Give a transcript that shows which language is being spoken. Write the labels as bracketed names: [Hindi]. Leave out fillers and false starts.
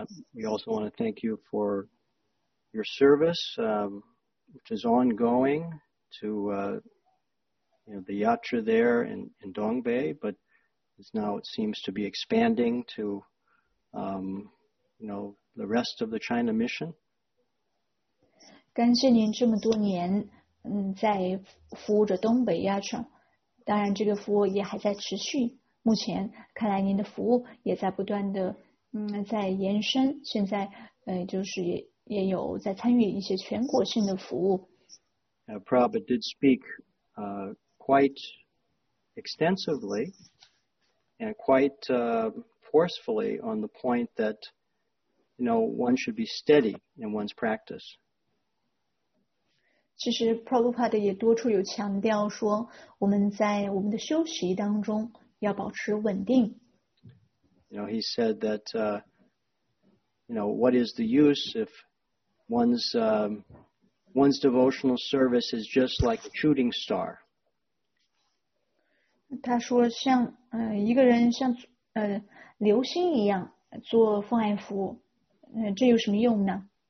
[English] We also want to thank you for your service, which is ongoing to the yatra there in Dongbei, but it's now it seems to be expanding to the rest of the China mission. [Chinese] 感谢您这么多年，在服务着东北亚城。当然，这个服务也还在持续。目前看来，您的服务也在不断的，在延伸。现在，就是也有在参与一些全国性的服务。 [English] Prabhupada did speak quite extensively and quite forcefully on the point that, you know, one should be steady in one's practice. [Chinese] 其实 Prabhupada 也多处有强调说，我们在我们的修习当中要保持稳定。 [English] You know, he said that, what is the use if one's devotional service is just like a shooting star? [Chinese] 他说像一个人像流星一样做奉爱服务，这有什么用呢？